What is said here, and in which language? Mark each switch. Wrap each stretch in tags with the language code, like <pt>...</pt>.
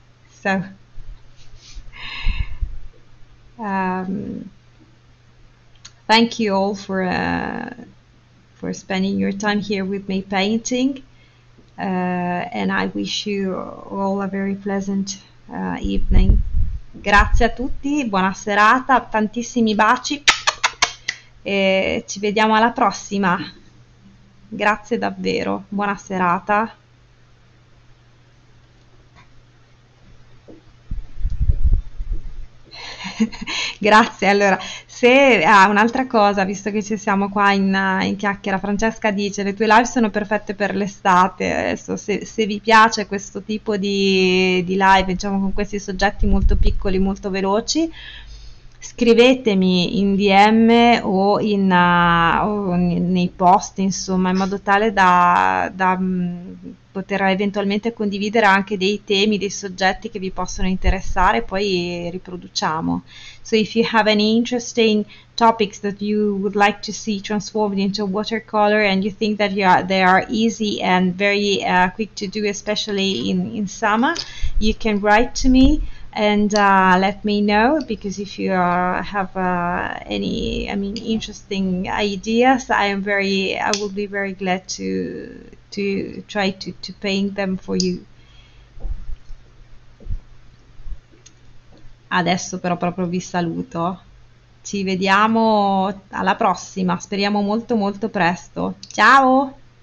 <en>So, thank you all for spending your time here with me painting. And I wish you all a very pleasant evening.</en> <it>Grazie a tutti, buona serata, tantissimi baci e ci vediamo alla prossima. Grazie davvero, buona serata. Grazie. Allora, se un'altra cosa, visto che ci siamo qua in chiacchiera, Francesca dice: le tue live sono perfette per l'estate. Adesso, se vi piace questo tipo di live, diciamo con questi soggetti molto piccoli, molto veloci. Scrivetemi in DM o nei post, insomma, in modo tale da poter eventualmente condividere anche dei temi, dei soggetti che vi possono interessare, poi riproduciamo.</it> <en>So if you have any interesting topics that you would like to see transformed into watercolor and you think that they are easy and very quick to do, especially in summer, you can write to me. And let me know, because if you have any, I mean, interesting ideas, I will be very glad to try to paint them for you.</en> <it>Adesso però proprio vi saluto. Ci vediamo alla prossima, speriamo molto molto presto. Ciao!</it>